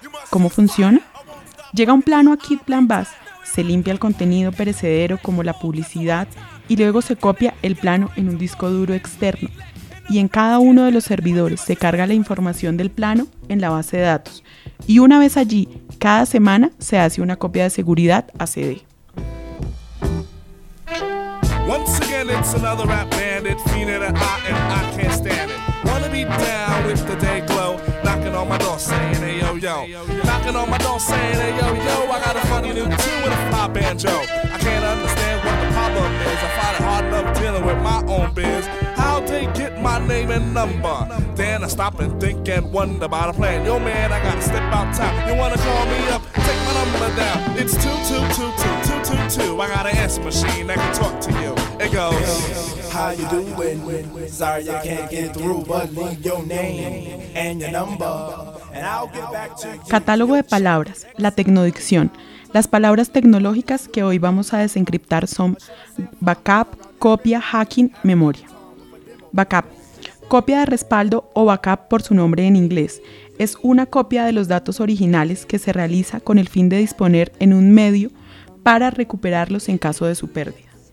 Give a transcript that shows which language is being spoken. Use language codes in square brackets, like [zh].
[es] ¿Cómo funciona? Llega un plano a Kid Plan Bass, se limpia el contenido perecedero como la publicidad y luego se copia el plano en un disco duro externo y en cada uno de los servidores se carga la información del plano en la base de datos y una vez allí, cada semana se hace una copia de seguridad a CD. [en] Once again it's another rap bandit feeling it hot and I can't stand it. Wanna be down with the day glow. Knocking on my door saying hey yo yo. Knocking on my door saying hey yo yo. I got a funny new tune with a fly banjo. I can't understand what the problem is. I find it hard enough dealing with my own biz. How they get my name and number? Then I stop and think and wonder about a plan. Yo man, I gotta step out top. You wanna call me up? Take my number down. It's 2-2-2-2-2-2-2. I got an answer machine that can talk to you. It goes, how you doing? Sorry I can't get through, but leave your name and your number. [es] Catálogo de palabras, la tecnodicción. Las palabras tecnológicas que hoy vamos a desencriptar son backup, copia, hacking, memoria. Backup, copia de respaldo o backup por su nombre en inglés. Es una copia de los datos originales que se realiza con el fin de disponer en un medio para recuperarlos en caso de su pérdida.